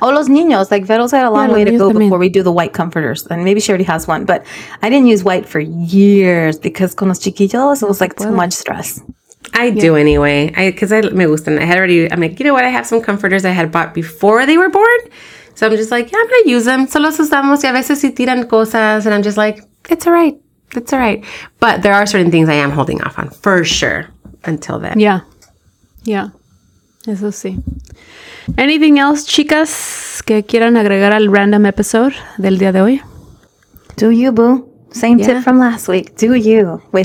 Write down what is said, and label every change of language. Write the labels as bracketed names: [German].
[English] Oh, [Spanish] los niños, [English] like Vero's had a long way to go before we do the white comforters. And maybe she already has one, but I didn't use white for years because [Spanish] con los chiquillos, [English] it was like too much stress. I do anyway, because I [Spanish] me gustan. [English] I had already, I'm like, you know what? I have some comforters I had bought before they were born. So I'm just like, yeah, I'm going to use them. [Spanish] Solo usamos y a veces si tiran cosas. [English] And I'm just like, it's all right. It's all right. But there are certain things I am holding off on for sure until then. Yeah. Yeah. [Spanish] Eso sí. [English] Anything else, [Spanish] chicas, que quieran agregar al random episode del día de hoy? [English] Do you, boo. Same tip from last week. Do you. With